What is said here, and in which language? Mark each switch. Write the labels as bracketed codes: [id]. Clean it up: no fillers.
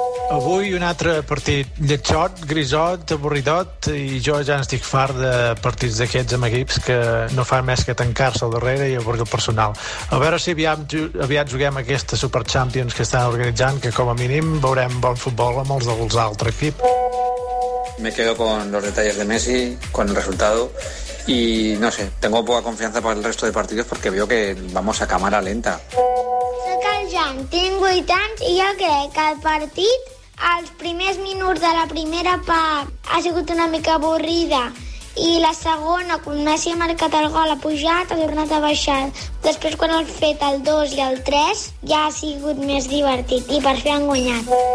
[ca] Avui un altre partit lletxot, grisot, avorridot, i jo ja n'estic fart de partits d'aquests amb equips que no fan més que tancar-se al darrere i avorrir el personal. A veure si aviat juguem aquesta Super Champions que estan organitzant, que com a mínim veurem bon futbol amb els dels altres equips. [es] Me quedo con los detalles de Messi, con el resultado y no sé, tengo poca confianza para el resto de partidos porque veo que vamos a cámara lenta. [ca] Soc el Jan, tinc 8 anys i jo crec que el partit, els primers minuts de la primera part ha sigut una mica avorrida i la segona, quan Messi ha marcat el gol, ha pujat, ha tornat a baixar. Després, quan han fet el 2 i el 3, ja ha sigut més divertit i per fi han guanyat.